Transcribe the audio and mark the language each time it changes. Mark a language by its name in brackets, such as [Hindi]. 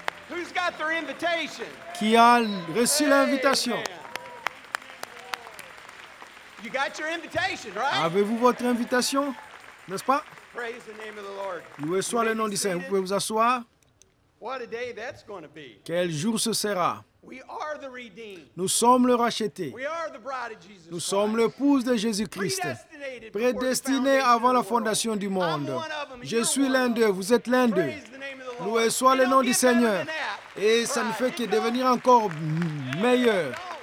[English] Who's got their invitation? [French] Qui a reçu l'invitation? [English] You got your invitation, right? [French] Avez-vous votre invitation, n'est-ce pas? [English] Praise the name of the Lord. [French] Loué soit le nom du Saint. Vous pouvez vous asseoir. [English] What a day that's going to be. [French] Quel jour ce sera. [English] We are the redeemed. [French] Nous sommes le racheté. [English] We are the bride of Jesus Christ. [French] Nous sommes l'épouse de Jésus-Christ. Prédestinés avant la fondation du monde. Je suis l'un d'eux, vous êtes l'un d'eux. Loué soit le nom du Seigneur. Et ça ne fait que devenir encore meilleur.